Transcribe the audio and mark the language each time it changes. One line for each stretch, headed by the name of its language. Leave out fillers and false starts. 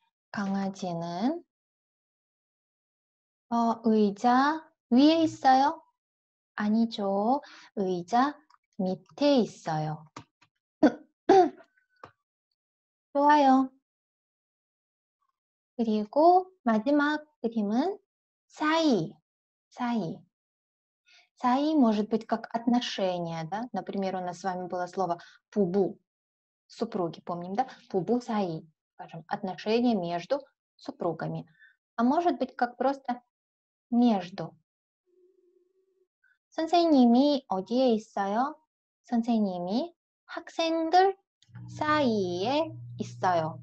Korean: 강아지는 의자 위에 있어요? 아니죠. 의자 밑에 있어요. 좋아요. 그리고 마지막 그림은 사이. 사이.
Russian: 사이 может быть как отношения, да? Например, у нас с вами было слово 부부. Супруги, помним, да?
Korean: 부부 사이.
Russian: Скажем, отношения между супругами. А может быть как просто между.
Korean: 선생님이 어디에 있어요? 선생님이 학생들 사이에 있어요.